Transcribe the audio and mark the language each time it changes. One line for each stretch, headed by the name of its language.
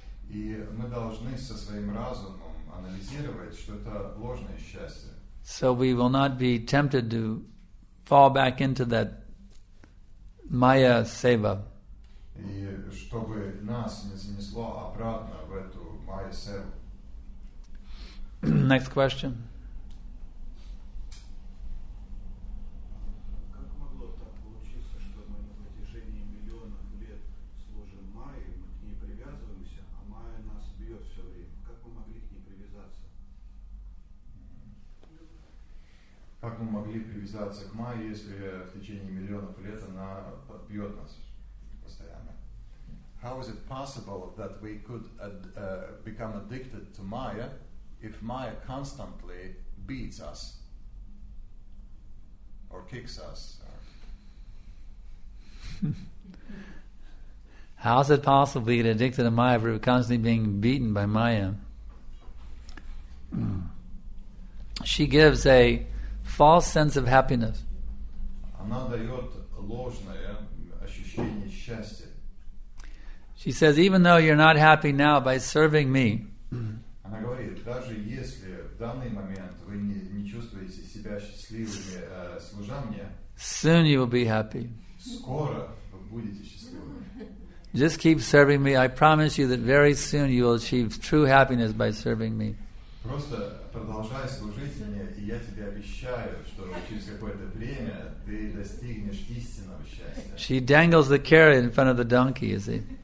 Russian: И мы должны со своим разумом анализировать, что это ложное счастье.
English: So we will not be tempted to fall back into that Maya Seva.
Russian: И чтобы нас не занесло обратно в эту Майя Севу.
English: Next question.
Russian: Как могло так получиться, что мы на протяжении миллионов лет служим Майе, мы к ней привязываемся, а Майя нас бьет все время? Как мы могли к ней привязаться? Как мы могли привязаться к Майе, если в течение миллионов лет она бьет нас постоянно?
English: How is it possible that we could become addicted to Maya if Maya constantly beats us or kicks us? How is it possible to get addicted to Maya if we're constantly being beaten by Maya? She gives a false sense of happiness.
Russian: Она дает ложное ощущение счастья.
English: She says, even though you're not happy now by serving me,
Russian: она говорит, даже если в данный момент вы не чувствуете себя счастливыми, служа мне,
English: soon you will be happy.
Russian: Скоро вы будете счастливыми.
English: Just keep serving me. I promise you that very soon you will achieve true happiness by serving me.
Russian: Просто продолжай служить мне, и я тебе обещаю, что через какое-то время ты достигнешь истинного счастья.
English: She dangles the carrot in front of the donkey, you see.